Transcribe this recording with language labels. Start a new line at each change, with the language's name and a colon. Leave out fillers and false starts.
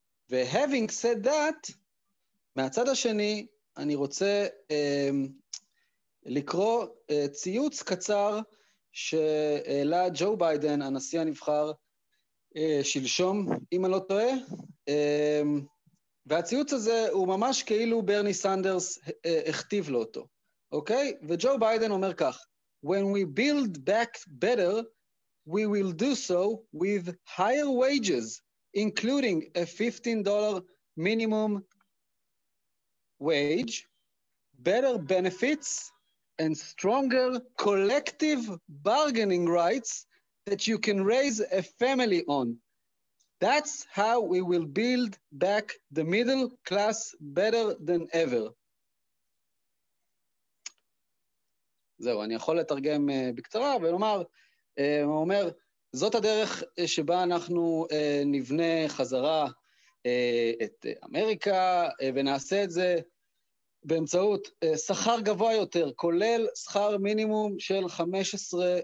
Hebrew: ו-
English: having said that,
Hebrew: מהצד השני, אני רוצה לקרוא ציוץ קצר שהעלה ג'ו ביידן, הנשיא הנבחר, שלשום, אם אני לא טועה. והציוץ הזה הוא ממש כאילו ברני סנדרס הכתיב לו אותו, אוקיי? וג'ו ביידן אומר כך,
English: When we build back better, we will do so with higher wages, including a $15 minimum wage, better benefits, and stronger collective bargaining rights that you can raise a family on. That's how we will build back the middle class better than ever.
Hebrew: זהו, אני יכול לתרגם בקצרה ולומר, הוא אומר, זאת הדרך שבה אנחנו נבנה חזרה את אמריקה ונעשה את זה באמצעות שכר גבוה יותר, כולל שכר מינימום של $15.